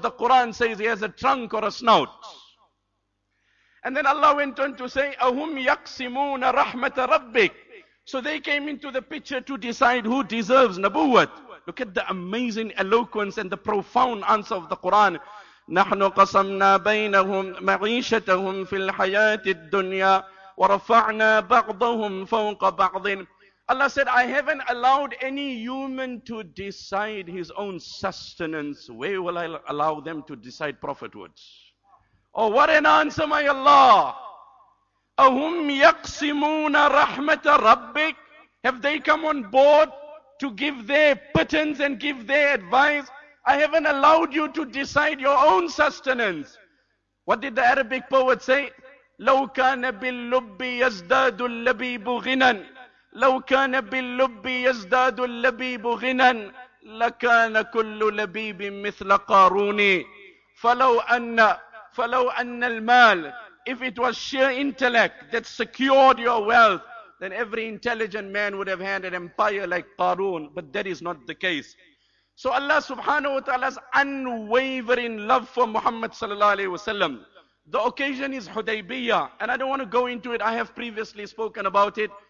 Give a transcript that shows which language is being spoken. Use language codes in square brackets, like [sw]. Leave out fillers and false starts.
[en] The Quran says he has a trunk or a snout. And then Allah went on to say, [ar] أَهُمْ يَقْسِمُونَ رَحْمَةَ رَبِّكَ. [en] So they came into the picture to decide who deserves nabuwat. Look at the amazing eloquence and the profound answer of the Quran. [ar] نحن قسمنا بينهم معيشتهم في الحياة الدنيا ورفعنا بعضهم فوق بعض. [en] Allah said, I haven't allowed any human to decide his own sustenance. Where will I allow them to decide prophethood? Oh, what an answer, my Allah! [ar] أهم يقسمون رحمة ربك. [en] Have they come on board to give their pittance and give their advice? I haven't allowed you to decide your own sustenance. What did the Arabic poet say? [ar] لو كان باللب يزداد اللبيب غنا لو كان باللب يزداد اللبيب غنا لكان كل لبيب مثل قاروني فلو أن المال. [en] If it was sheer intellect that secured your wealth, then every intelligent man would have had an empire like Qarun. But that is not the case. So Allah subhanahu wa ta'ala's unwavering love for Muhammad sallallahu alayhi wa sallam. The occasion is Hudaybiyah, and I don't want to go into it. I have previously spoken about it.